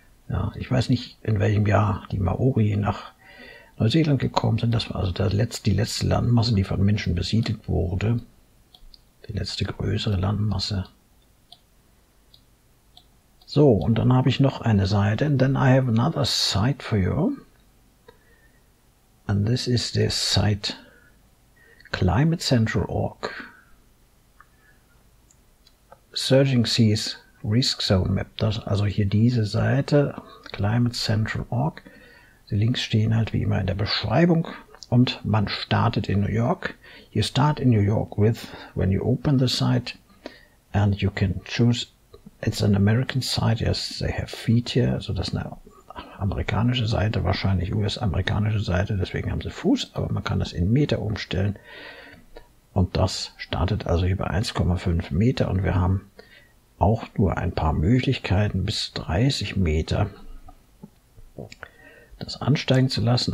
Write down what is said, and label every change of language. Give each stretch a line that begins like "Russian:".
German: Ja, ich weiß nicht, in welchem Jahr die Maori nach Neuseeland gekommen sind. Das war also die letzte Landmasse, die von Menschen besiedelt wurde. Die letzte größere Landmasse. So, und dann habe ich noch eine Seite.
English: And then I have another site for you. And this is the site climatecentral.org.
German: Surging Seas Risk Zone Map. Das also hier diese Seite, climatecentral.org. Die Links stehen halt wie immer in der Beschreibung. Und man startet in New York.
English: You start in New York with when you open the site and you can choose It's an American site, yes, they have feet here.
German: Also das ist eine amerikanische Seite, wahrscheinlich US-amerikanische Seite, deswegen haben sie Fuß, aber man kann das in Meter umstellen. Und das startet also hier bei 1,5 Meter und wir haben auch nur ein paar Möglichkeiten, bis 30 Meter das ansteigen zu lassen.